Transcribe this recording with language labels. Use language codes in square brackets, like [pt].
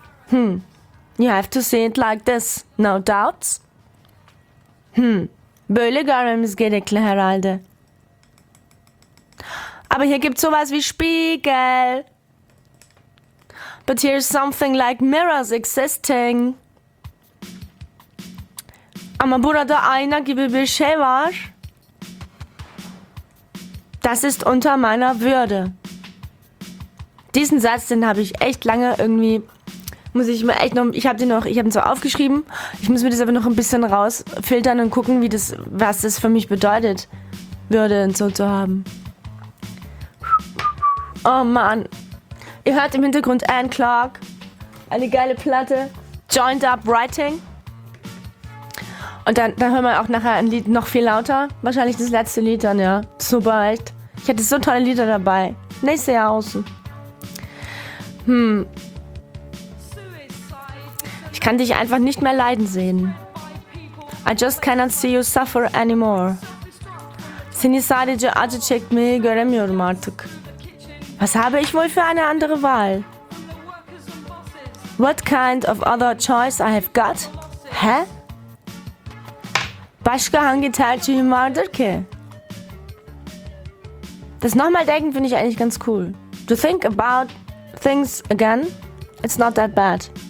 [en] You have to see it like this. No doubts. [tr] Böyle görmemiz gerekli herhalde. [de] Aber hier gibt's sowas wie Spiegel. [en] But here's something like mirrors existing. [tr] Ama burada ayna gibi bir şey var. [de] Das ist unter meiner Würde. Diesen Satz, den habe ich echt lange irgendwie, muss ich mir echt noch, ich habe ihn zwar aufgeschrieben, ich muss mir das aber noch ein bisschen rausfiltern und gucken, wie das, was das für mich bedeutet, Würde und so zu haben. Oh Mann. Ihr hört im Hintergrund Anne Clark. Eine geile Platte. Joined Up Writing. Und dann hören wir auch nachher ein Lied noch viel lauter. Wahrscheinlich das letzte Lied dann, ja. Super, echt. Ich hätte so tolle Lieder dabei. Nächstes Jahr außen. Ich kann dich einfach nicht mehr leiden sehen. [en] I just cannot see you suffer anymore. [tr] Seni sadece acı çekmeyi göremiyorum artık. [de] Was habe ich wohl für eine andere Wahl? [en] What kind of other choice I have got? Hä? [tr] Başka hangi tercihim vardır ki? [de] Das nochmal denken finde ich eigentlich ganz cool. [en] To think about things again, it's not that bad.